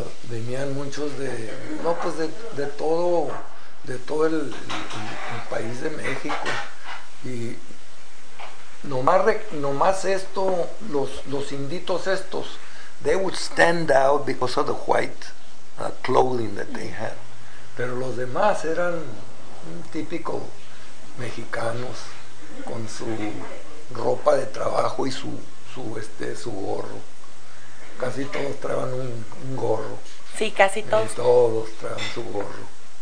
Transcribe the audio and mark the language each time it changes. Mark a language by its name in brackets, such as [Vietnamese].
[Spanish] Venían muchos de todo el país de México. Y nomás esto, los inditos estos, [English] they would stand out because of the white clothing that they had. [Spanish] Pero los demás eran típicos mexicanos con su ropa de trabajo y su gorro. Casi todos traían un gorro. Sí, casi todos. Y todos traían su gorro.